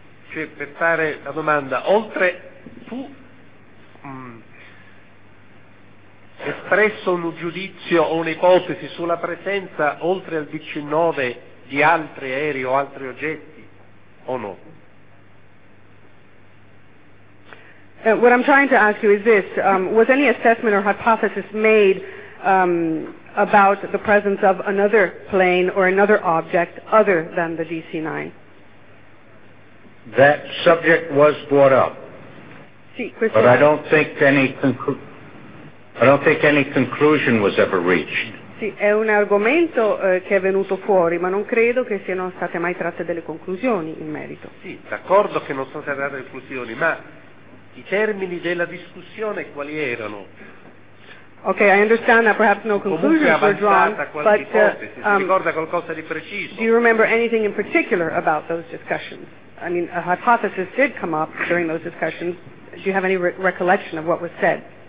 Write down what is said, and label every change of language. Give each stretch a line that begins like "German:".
Italian: Cioè, per fare la domanda, oltre tu espresso un giudizio o un'ipotesi sulla presenza, oltre al DC-9, di altri aerei o altri oggetti, o no?
English: What I'm trying to ask you is this, was any assessment or hypothesis made about the presence of another plane or another object other than the DC-9? That subject was brought up, but I don't think any conclusion was ever reached.
Italian: Sì, è un argomento che è venuto fuori, ma non credo che siano state mai tratte delle conclusioni in merito. Sì, d'accordo che non sono state tratte conclusioni, ma i termini della discussione quali erano?
English: Okay, I understand that perhaps no conclusions were drawn, but
Italian: si ricorda qualcosa di preciso?
English: Do you remember anything in particular about those discussions? I mean, a hypothesis did come up during those discussions. Do you have any recollection of what was said?